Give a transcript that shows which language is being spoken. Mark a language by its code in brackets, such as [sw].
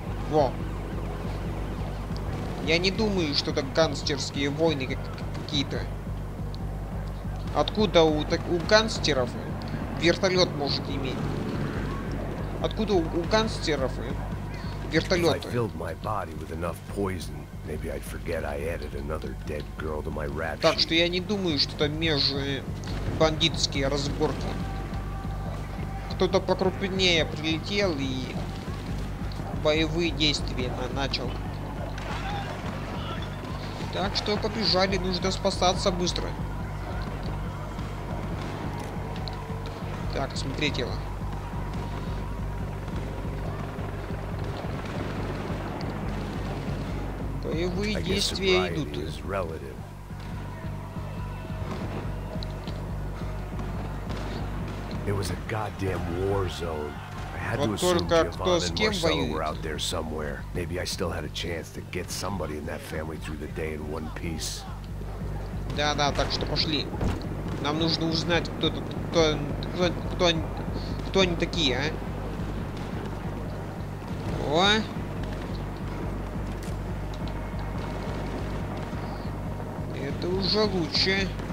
[ru] Во. Я не думаю, что это гангстерские войны какие-то. Откуда у гангстеров вертолет может иметь? Откуда у гангстеров вертолеты? [en] If I filled my body with enough poison, maybe I'd forget I added another dead girl to my rat sheet. [ru] Так что я не думаю, что это межбандитские разборки. Кто-то покрупнее прилетел и боевые действия начал. Так что побежали, нужно спасаться быстро. Так, смотрите его. Боевые действия идут. [en] It was a goddamn war zone. I had to assume Giovanni and Marcelo were out there somewhere. Maybe I still had a chance to get somebody in that family through the day in one piece. [ru] Да, да, так что пошли. Нам нужно узнать, кто они такие, а? О. Это уже лучше.